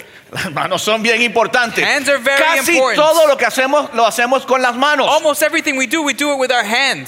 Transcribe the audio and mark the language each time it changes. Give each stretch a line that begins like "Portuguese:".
Spanish: Las manos son bien importantes.
English: Hands are very
Spanish: casi
English: important.
Spanish: Todo lo que hacemos lo hacemos con las manos.
English: Almost everything we do it with our hands.